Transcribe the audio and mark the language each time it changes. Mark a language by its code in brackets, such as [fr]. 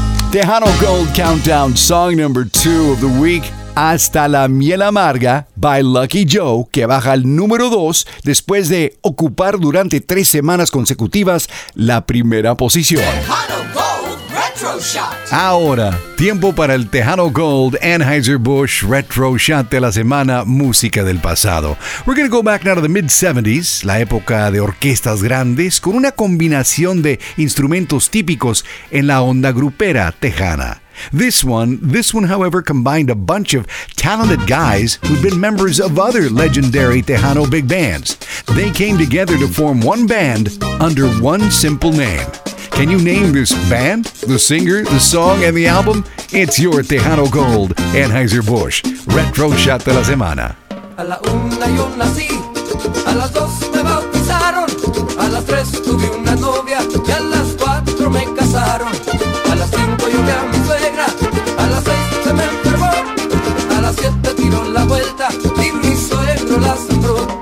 [en] Tejano Gold Countdown, song number 2 of the week. [es] Hasta la miel amarga, by Lucky Joe, que baja al número 2 después de ocupar durante 3 semanas consecutivas la primera posición. Ahora, tiempo para el Tejano Gold Anheuser-Busch Retro Shot de la semana, música del pasado. We're gonna go back now to the mid-70s, la época de orquestas grandes, con una combinación de instrumentos típicos en la onda grupera tejana. [en] This one, however, combined a bunch of talented guys who'd been members of other legendary Tejano big bands. They came together to form one band under one simple name. Can you name this band, the singer, the song, and the album? It's your Tejano Gold, Anheuser-Busch, Retro Shot de la Semana. [es] A la una yo nací, a las dos me bautizaron, a las tres tuve una novia y a las cuatro me casaron. A las cinco yo vi a mi suegra, a las seis se me enfermó, a las siete tiró la vuelta y mi suegro la sembró.